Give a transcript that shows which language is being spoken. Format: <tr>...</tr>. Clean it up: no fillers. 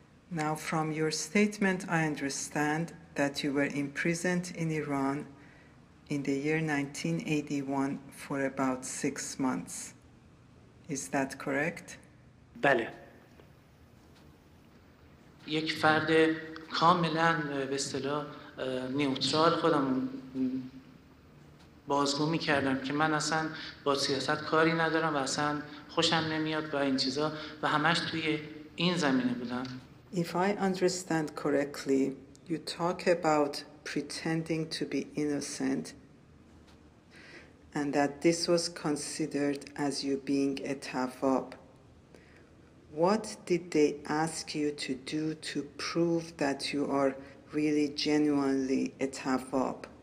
<en>Now, from your statement, I understand that you were imprisoned in Iran in the year 1981 for about 6 months. Is that correct?</en> <fa>بله. یک فرد کاملاً به اصطلاح نیوترال خودم بازگو می‌کردم که من اصلا با سیاست کاری ندارم و اصلا خوشم نمیاد با این چیزا و همش توی این زمینه بودم.</fa> <en>If I understand correctly, you talk about pretending to be innocent and that this was considered as you being a tawwab. What did they ask you to do to prove that you are really genuinely a tawwab?</en>